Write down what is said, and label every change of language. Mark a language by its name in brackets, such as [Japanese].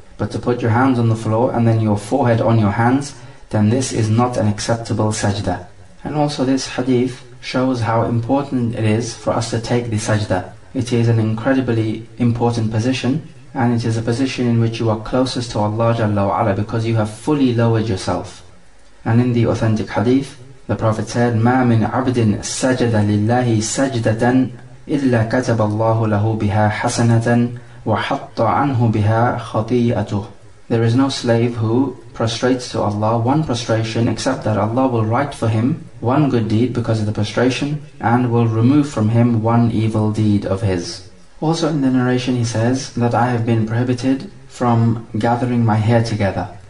[English] But to put your hands on the floor and then your forehead on your hands, then this is not an acceptable sajda. And also, this hadith shows how important it is for us to take the sajda. It is an incredibly important position, and it is a position in which you are closest to Allah Jalla wa Ala, because you have fully lowered yourself. And in the authentic hadith, the Prophet said, [Arabic] مَا مِنْ عَبْدٍ سَجَدَ لِلَّهِ سَجْدَةً إِلَّا كَتَبَ اللَّهُ لَهُ بِهَا حَسَنَةً وَحَطَّ عَنْهُ بِهَا خَطِيئَتُهُ. [English] There is no slave who prostrates to Allah one prostration except that Allah will write for him one good deed because of the prostration, and will remove from him one evil deed of his. Also in the narration he says that I have been prohibited from gathering my hair together.